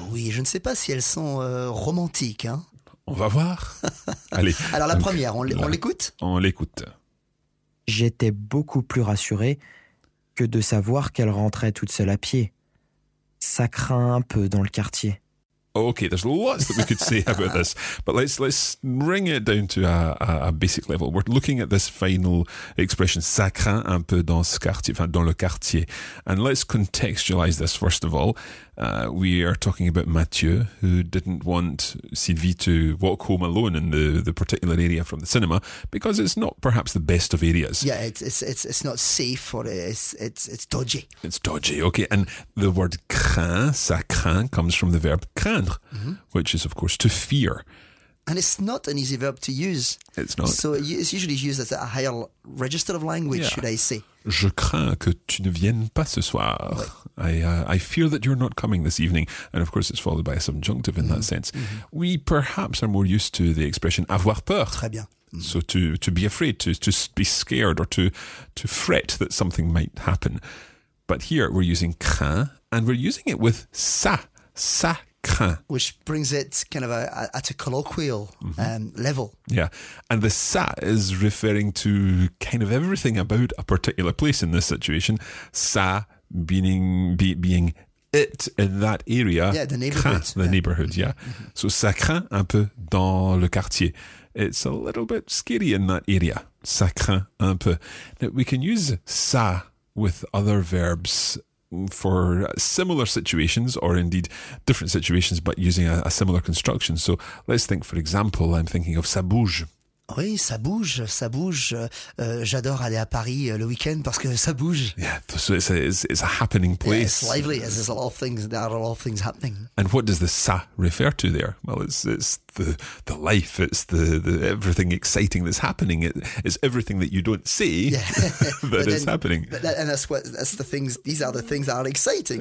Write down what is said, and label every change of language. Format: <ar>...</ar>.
<fr>Oui, je ne sais pas si elles sont romantiques, hein. On va voir. Allez. Alors la première, on l'écoute ? On l'écoute. J'étais beaucoup plus rassuré que de savoir qu'elle rentrait toute seule à pied. Ça craint un peu dans le quartier.</fr> <en>Okay, there's lots that we could say about this, but let's bring it down to a basic level. We're looking at this final expression,</en> <fr>ça craint un peu dans ce quartier, enfin dans le quartier.</fr> <en>And let's contextualize this first of all. We are talking about Mathieu, who didn't want Sylvie to walk home alone in the particular area from the cinema because it's not perhaps the best of areas. Yeah, it's not safe for it's dodgy. It's dodgy, okay. And the word craint, ça craint, comes from the verb craindre, mm-hmm. which is, of course, to fear. And it's not an easy verb to use. It's not. So it's usually used as a higher register of language, yeah. Should I say.</en> <fr>Je crains que tu ne viennes pas ce soir.</fr> <en>I fear that you're not coming this evening. And of course, it's followed by a subjunctive in that sense. Mm-hmm. We perhaps are more used to the expression avoir peur.</en> <fr>Très bien. Mm-hmm.</fr> <en>So to be afraid, to be scared or to fret that something might happen. But here we're using crains and we're using it with ça.</en> <fr>Ça craint.</fr> <en>Which brings it kind of at a colloquial level. Yeah. And the ça is referring to kind of everything about a particular place in this situation. Ça being it in that area. Yeah, the neighbourhood. Craint, the neighbourhood, yeah.</en> <fr>So ça craint un peu dans le quartier.</fr> <en>It's a little bit scary in that area.</en> <fr>Ça craint un peu.</fr> <en>Now, we can use ça with other verbs for similar situations or indeed different situations but using a similar construction. So let's think, for example, I'm thinking of ça bouge.</en> <fr>Oui, ça bouge, ça bouge. J'adore aller à Paris le week-end parce que ça bouge.</fr> <en>Yeah, so it's a happening place. Yeah, it's lively, there's a lot of things, there are a lot of things happening. And what does the ça refer to there? Well, it's the life, it's the everything exciting that's happening. It's everything that you don't see, yeah. but it's happening. These are the things that are exciting,</en>